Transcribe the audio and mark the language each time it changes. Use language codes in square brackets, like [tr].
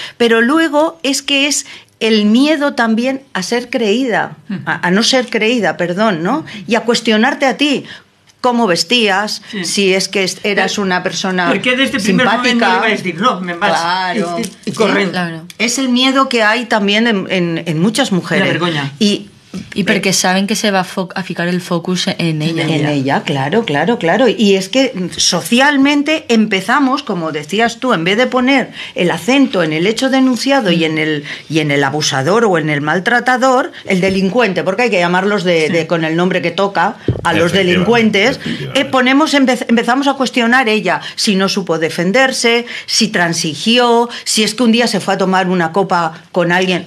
[es] Pero luego es que es el miedo también a ser creída, a no ser creída, perdón, ¿no? Y a cuestionarte a ti cómo vestías, sí. Si es que eras una persona simpática. Porque desde el primer momento iba a decir, no, me vas. Claro. Y corriendo. Sí, claro. Es el miedo que hay también en muchas mujeres. La vergüenza. Y [ca] I perquè saben que se va a ficar el focus en ella. [es] En ella, claro, claro, claro. Y es que socialmente empezamos, como decías tú, en vez de poner el acento en el hecho denunciado y en el abusador o en el maltratador, el delincuente, porque hay que llamarlos de con el nombre que toca, a los delincuentes, empezamos a cuestionar ella si no supo defenderse, si transigió, si es que un día se fue a tomar una copa con alguien.